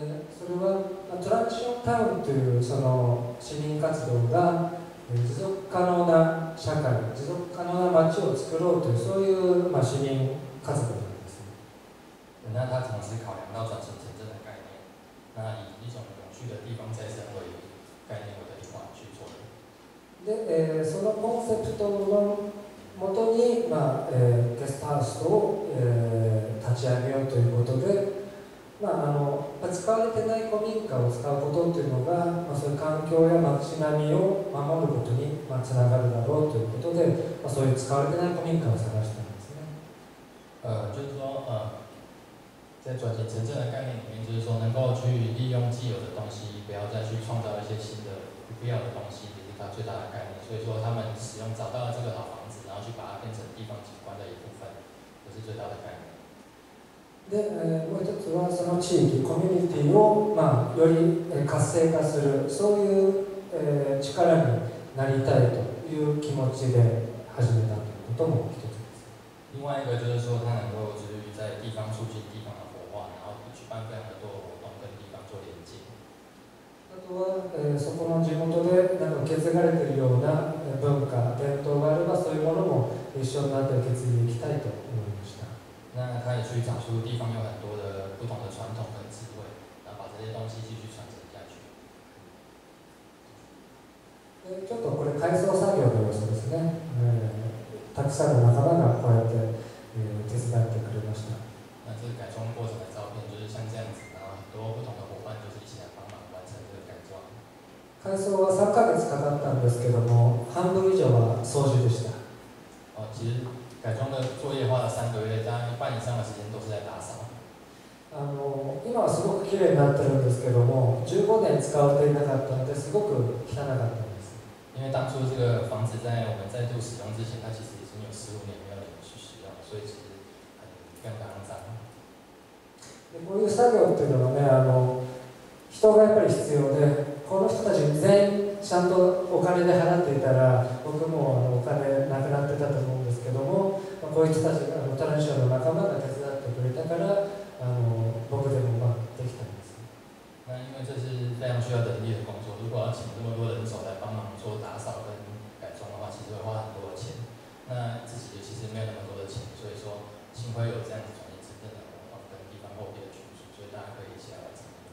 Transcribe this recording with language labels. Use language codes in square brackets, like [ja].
[ja] それはトランジションタウンというその市民活動が持続可能な社会、持続可能な町を作ろうというそういう、まあ、市民活動なんですね。 [zh] 那他同时考量到转型城镇的概念，那以一种永续的地方再生为概念为的地方去做的。 [ja] で、そのコンセプトの元に、まあゲストハウスを、立ち上げようということで、まあ、使われてない古民家を使うことというのが、まあ、そういう環境や街並みを守ることに、まあ、つながるだろうということで、まあ、そういう使われてない古民家を探したんですね。 [zh] 就是说，在转型城镇的概念里面，就是说能够去利用既有的东西，不要再去创造一些新的不必要的东西，这是它最大的概念。所以说，他们使用找到了这个老房子，然后去把它变成地方景观的一部分，这是最大的概念。 [ja] で、もう一つはその地域コミュニティを、まあ、より活性化するそういう、力になりたいという気持ちで始めたということも一つです。 [zh] 另外一个就是说，他能够致力于在地方促进地方的活化，然后举办非常多活动跟地方做连接。 [ja] あとは、そこの地元でなんか受け継がれているような文化伝統があればそういうものも一緒になって受け継いでいきたいと思いました。 [zh] 那他也去找出地方有很多的不同的传统跟智慧，然后把这些东西继续传承下去。 [ja] ちょっとこれ改装作業の様子ですね。たくさんの仲間がこうやって手伝ってくれました。 [zh] 那这个改装过程的照片就是像这样子，然后很多不同的伙伴就是一起来帮忙完成这个改装。 [ja] 改装は3ヶ月かかったんですけども、半分以上は掃除でした。 [zh] 哦，其实改装的作业花了三个月，大概一半以上的时间都是在打扫。 [ja] 今はすごく綺麗になってるんですけども、15年使われていなかったので、すごく汚かったんです。 [zh] 因为当初这个房子在我们再度使用之前，它其实已经有15年没有人去使用，所以其实很更肮脏。 [ja] こういう作業っていうのはね、人がやっぱり必要で、この人たち全員ちゃんとお金で払っていたら、僕もお金なくなってたと思うんですけども、こいつたち、トランシオの仲間が手伝ってくれたから、僕でもまあできたんです。 [zh] 那因为这是非常需要人力的工作，如果要请这么多人手来帮忙做打扫跟改装的话，其实会花很多钱。那自己其实没有那么多的钱，所以说幸亏有这样子专业资深的伙伴跟地方后边的群组，所以大家可以一起来完成。